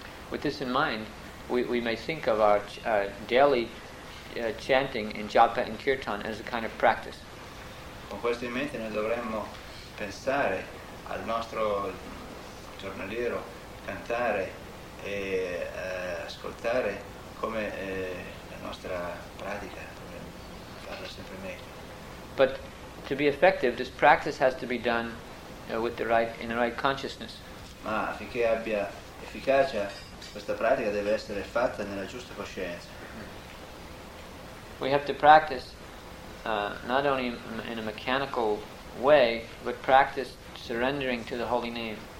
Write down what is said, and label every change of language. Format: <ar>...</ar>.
<en>With this in mind, we may think of our daily chanting in japa and kirtan as a kind of practice.</en> <it>Con questo in mente noi dovremmo pensare al nostro giornaliero cantare e ascoltare come la nostra pratica, dovremmo farla sempre meglio.</it> <en>But to be effective, this practice has to be done in the right consciousness.</en> <it>Ma affinché abbia efficacia, questa pratica deve essere fatta nella giusta coscienza.</it> <en>We have to practice not only in a mechanical way, but practice surrendering to the Holy Name.</en>